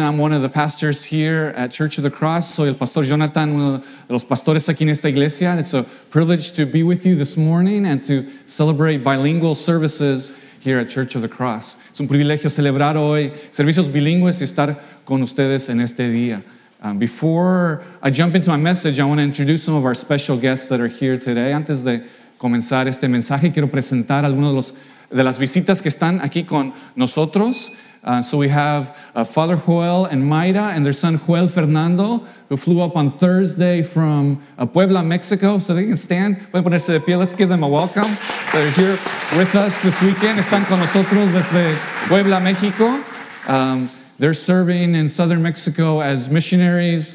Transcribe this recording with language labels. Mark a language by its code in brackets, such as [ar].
[en] I'm one of the pastors here at Church of the Cross. [es] Soy el pastor Jonathan, uno de los pastores aquí en esta iglesia. [en] It's a privilege to be with you this morning and to celebrate bilingual services here at Church of the Cross. [es] Es un privilegio celebrar hoy servicios bilingües y estar con ustedes en este día. [en] Before I jump into my message, I want to introduce some of our special guests that are here today. [es] Antes de comenzar este mensaje, quiero presentar algunos de las visitas que están aquí con nosotros. [en] So we have Father Joel and Mayra and their son Joel Fernando, who flew up on Thursday from Puebla, Mexico. So they can stand. [es] Pueden ponerse de pie. [en] Let's give them a welcome. They're here with us this weekend. [es] Están con nosotros desde Puebla, Mexico. [en] They're serving in southern Mexico as missionaries.